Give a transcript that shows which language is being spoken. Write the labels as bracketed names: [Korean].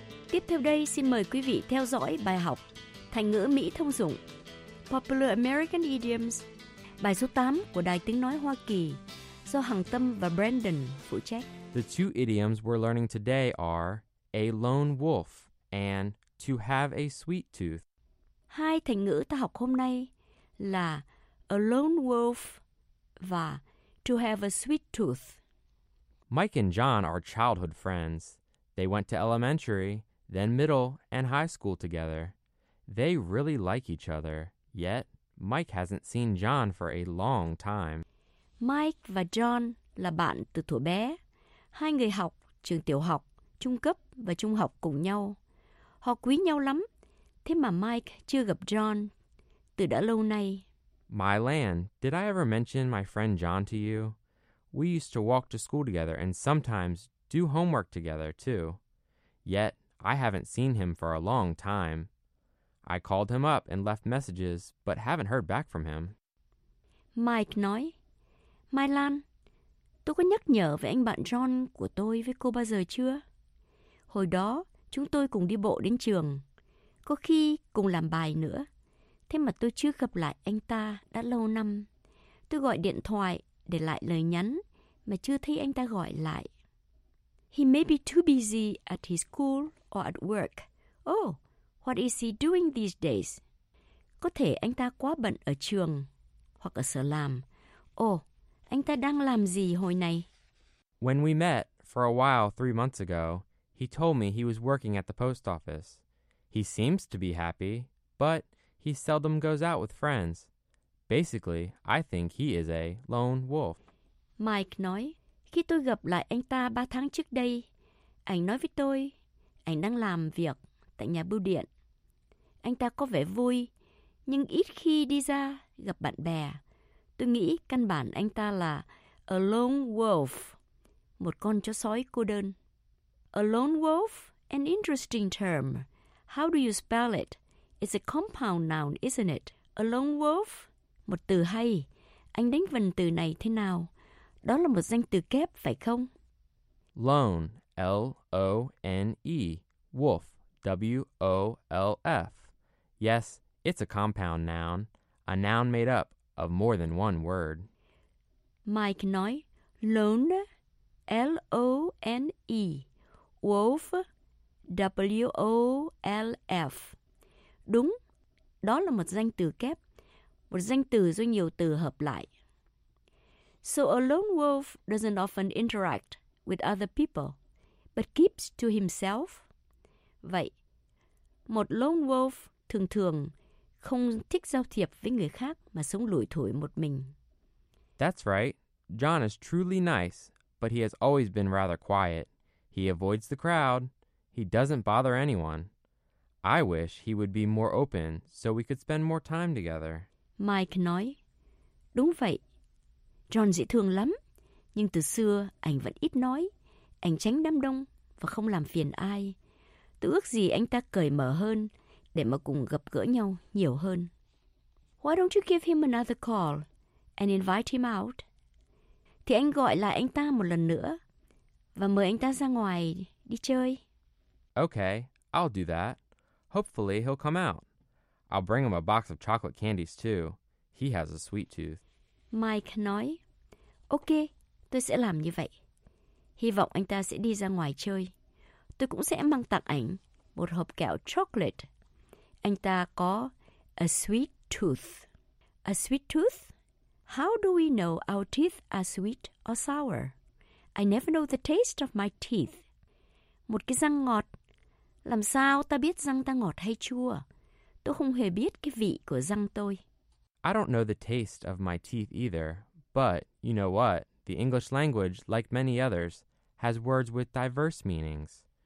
[Vietnamese] Tiếp theo đây xin mời quý vị theo dõi bài học thành ngữ Mỹ thông dụng Popular American Idioms, bài số 8 của Đài Tiếng Nói Hoa Kỳ, do Hằng Tâm và Brandon phụ trách. [English] The two idioms we're learning today are a lone wolf and to have a sweet tooth. [Vietnamese] Hai thành ngữ ta học hôm nay là a lone wolf và to have a sweet tooth. [English] Mike and John are childhood friends. They went to elementary, then middle and high school together. They really like each other, yet Mike hasn't seen John for a long time. [Vietnamese] Mike và John là bạn từ thuở bé. Hai người học trường tiểu học, trung cấp và trung học cùng nhau. Họ quý nhau lắm, thế mà Mike chưa gặp John từ đã lâu nay. [English] My land, did I ever mention my friend John to you? We used to walk to school together and sometimes do homework together too. Yet, I haven't seen him for a long time. I called him up and left messages, but haven't heard back from him. [Vietnamese] Mike nói, Mai Lan, tôi có nhắc nhở về anh bạn John của tôi với cô bao giờ chưa? Hồi đó, chúng tôi cùng đi bộ đến trường, có khi cùng làm bài nữa. Thế mà tôi chưa gặp lại anh ta đã lâu năm. Tôi gọi điện thoại để lại lời nhắn, mà chưa thấy anh ta gọi lại. [English] He may be too busy at his school or at work. Oh! What is he doing these days? [Vietnamese] Có thể anh ta quá bận ở trường hoặc ở sở làm. Oh, anh ta đang làm gì hồi này? [English] When we met for a while 3 months ago, he told me he was working at the post office. He seems to be happy, but he seldom goes out with friends. Basically, I think he is a lone wolf. [Vietnamese] Mike nói, khi tôi gặp lại anh ta 3 tháng trước đây, anh nói với tôi, anh đang làm việc tại nhà bưu điện. Anh ta có vẻ vui, nhưng ít khi đi ra gặp bạn bè. Tôi nghĩ căn bản anh ta là a lone wolf, một con chó sói cô đơn. [English] A lone wolf, an interesting term. How do you spell it? It's a compound noun, isn't it? A lone wolf, [Vietnamese] một từ hay. Anh đánh vần từ này thế nào? Đó là một danh từ kép, phải không? [English] Lone, L-O-N-E, wolf, W-O-L-F. Yes, it's a compound noun, a noun made up of more than one word. [Vietnamese] Mike nói, lone, L-O-N-E, wolf, W-O-L-F. Đúng, đó là một danh từ kép, một danh từ do nhiều từ hợp lại. [English] So a lone wolf doesn't often interact with other people, but keeps to himself. [Vietnamese] Vậy, một lone wolf thường thường không thích giao thiệp với người khác mà sống lủi thủi một mình. [English] That's right. John is truly nice, but he has always been rather quiet. He avoids the crowd. He doesn't bother anyone. I wish he would be more open so we could spend more time together. [Vietnamese] Mike nói, đúng vậy. John dễ thương lắm, nhưng từ xưa anh vẫn ít nói, anh tránh đám đông và không làm phiền ai. Tôi ước gì anh ta cởi mở hơn để mà cùng gặp gỡ nhau nhiều hơn. [English] Why don't you give him another call and invite him out? [Vietnamese] Thì anh gọi lại anh ta một lần nữa và mời anh ta ra ngoài đi chơi. [English] Okay, I'll do that. Hopefully he'll come out. I'll bring him a box of chocolate candies too. He has a sweet tooth. [Vietnamese] Mike nói, ok, tôi sẽ làm như vậy. Hy vọng anh ta sẽ đi ra ngoài chơi. Tôi cũng sẽ mang tặng ảnh một hộp kẹo chocolate. Anh ta có [English] a sweet tooth. A sweet tooth? How do we know our teeth are sweet or sour? I never know the taste of my teeth. [Vietnamese] Một cái răng ngọt. Làm sao ta biết răng ta ngọt hay chua? Tôi không hề biết cái vị của răng tôi. [English] I don't know the taste of my teeth either, but you know what? The English language, like many others, has words with diverse meanings.